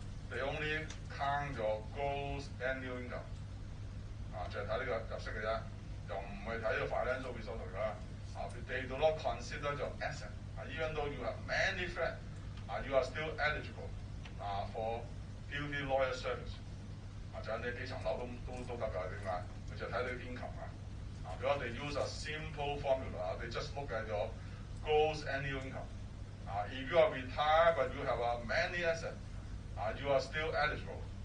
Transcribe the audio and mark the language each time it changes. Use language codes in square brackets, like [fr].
[en] They only count your gross annual income. [yue] 就是看這個入息而已，又不是看這個 financial resources 的。 [en] They do not consider your asset. Even though you have many friends, you are still eligible for duty lawyer service. [yue] 就是你幾層樓都可以的，為什麼？就是看你的 income。 [en] Because they use a simple formula, they just look at your gross annual income. If you are retired but you have many assets, you are still eligible.